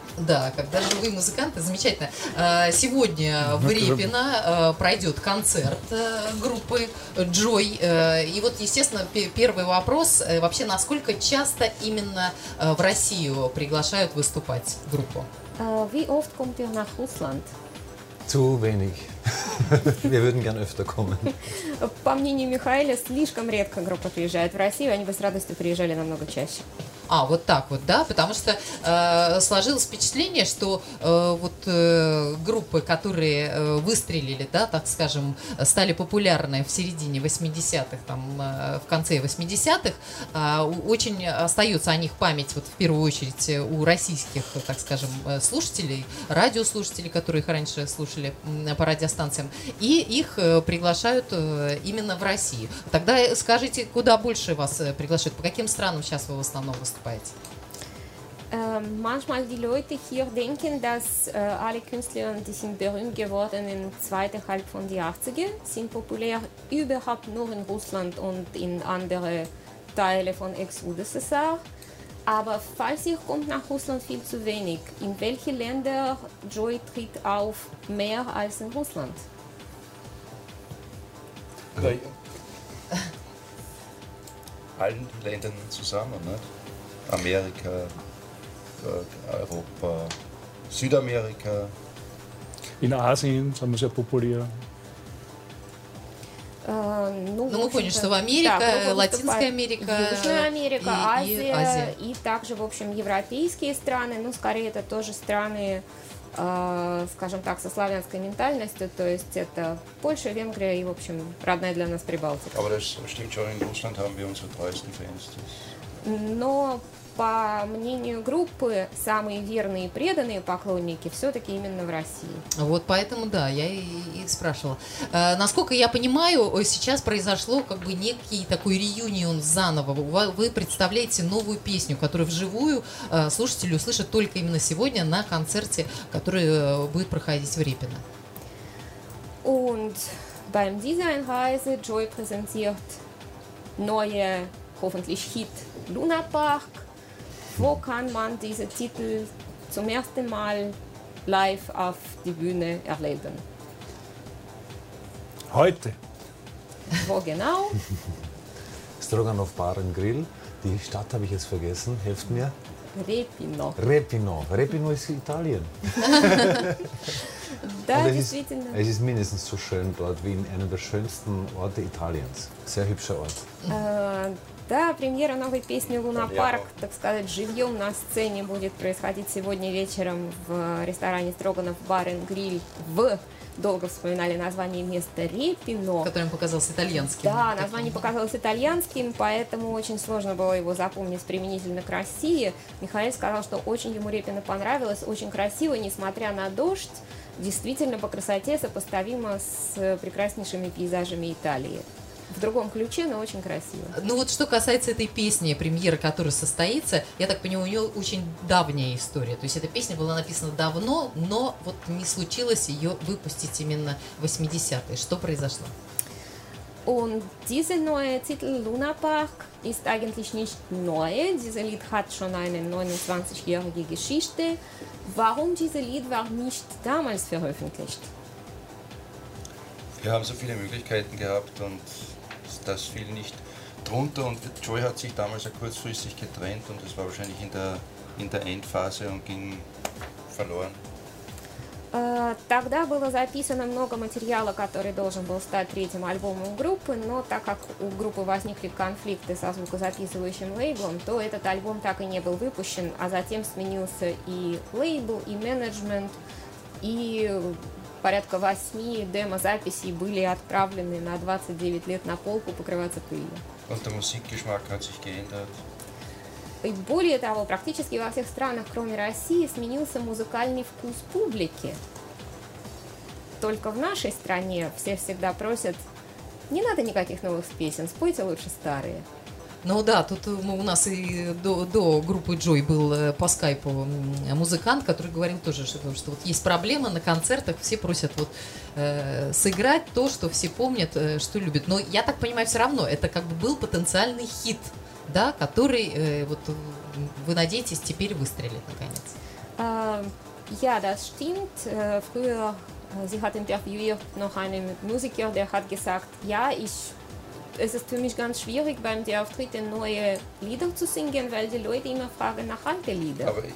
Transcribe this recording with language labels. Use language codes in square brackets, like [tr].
[ru] Да, когда живые музыканты, замечательно. Сегодня в Репино пройдет концерт группы Joy. И вот, естественно, первый вопрос. Вообще, насколько часто именно в Россию приглашают выступать группу? [de] Wie oft kommt ihr nach Russland? Zu wenig. Wir würden gerne öfter kommen. [ru] По мнению Михаила, слишком редко группа приезжает в Россию. Они бы с радостью приезжали намного чаще. А, вот так вот, да? Потому что сложилось впечатление, что вот группы, которые выстрелили, да, так скажем, стали популярны в середине 80-х, там, в конце 80-х, очень остается о них память, вот, в первую очередь, у российских, так скажем, слушателей, радиослушателей, которые их раньше слушали по радиостанциям, и их приглашают именно в Россию. Тогда скажите, куда больше вас приглашают? По каким странам сейчас вы в основном выступаете? [de] Manchmal die Leute hier denken, dass alle Künstler, die sind berühmt geworden in zweiter Halbzeit von den 80er, sind populär überhaupt nur in Russland und in andere Teile von Ex-UdSSR. Aber falls ihr kommt nach Russland, viel zu wenig. In welche Länder Joy tritt auf mehr als in Russland? Allen Ländern zusammen, ne? Amerika, Europa, Südamerika. In Asien sind wir sehr populär. [ru] Ну, мы поняли, что в Америке, да, Латинская Америка, Южная Америка, Азия, и также, в общем, европейские страны, ну, скорее, это тоже страны, скажем так, со славянской ментальностью, то есть это Польша, Венгрия и, в общем, родная для нас Прибалтика. [de] Aber das stimmt schon, in Russland haben wir unsere treuesten Fans. [ru] Но по мнению группы, самые верные и преданные поклонники все-таки именно в России. Вот поэтому, да, я и спрашивала. Насколько я понимаю, сейчас произошло как бы некий такой реюнион заново. Вы представляете новую песню, которую вживую слушатели услышат только именно сегодня на концерте, который будет проходить в Репино. [de] Und beim Designreise Joy präsentiert neue, hoffentlich Hit Luna Park. Wo kann man diese Titel zum ersten Mal live auf die Bühne erleben? Heute. Wo genau? Stroganov Bar and Grill. Die Stadt habe ich jetzt vergessen. Helft mir. Repino. Repino. Repino ist Italien. [ru] Da, действительно. [de] Es ist mindestens so schön dort wie in einem der schönsten Orte Italiens. Sehr hübscher Ort. [ru] Да, премьера новой песни «Луна Парк», так сказать, живьем на сцене будет происходить сегодня вечером в ресторане «Строганов Бар и Гриль» в, долго вспоминали название места, Репино. Которым показалось итальянским. Да, название показалось итальянским, поэтому очень сложно было его запомнить применительно к России. Михаил сказал, что очень ему Репино понравилось, очень красиво, несмотря на дождь, действительно по красоте сопоставимо с прекраснейшими пейзажами Италии. В другом ключе, но очень красиво. Ну вот что касается этой песни, премьера которой состоится, я так понимаю, у нее очень давняя история. То есть эта песня была написана давно, но вот не случилось ее выпустить именно в 80-е. Что произошло? [de] Und dieser neue Titel Luna Park ist eigentlich nicht neu. Dieses Lied hat schon eine 29-jährige Geschichte. Warum dieses Lied war nicht damals veröffentlicht? Wir haben so viele Möglichkeiten gehabt und das fiel nicht drunter und Joy hat sich damals ja kurzfristig getrennt und das war wahrscheinlich in der Endphase und ging verloren. [ru] Тогда было записано много материала, который должен был стать третьим альбомом группы, но так как у группы возникли конфликты со звукозаписывающим лейблом, то этот альбом так и не был выпущен, а затем сменился и лейбл, и менеджмент, и порядка 8 демозаписей были отправлены на 29 лет на полку покрываться пылью. [de] Und der Musikgeschmack hat sich geändert. [ru] И более того, практически во всех странах, кроме России, сменился музыкальный вкус публики. только в нашей стране все всегда просят, не надо никаких новых песен, спойте лучше старые. Ну да, тут у нас и до группы Joy был по скайпу музыкант, который говорил тоже, что вот есть проблема на концертах, все просят вот сыграть то, что все помнят, что любят. Но я так понимаю, все равно это как бы был потенциальный хит, да, который вот вы надеетесь теперь выстрелит наконец. [de] Ja, das stimmt. Früher, sie hat interviewt noch einen Musiker, der hat gesagt, ja, es ist für mich ganz schwierig, beim Auftritt neue Lieder zu singen, weil die Leute immer fragen nach alten Liedern.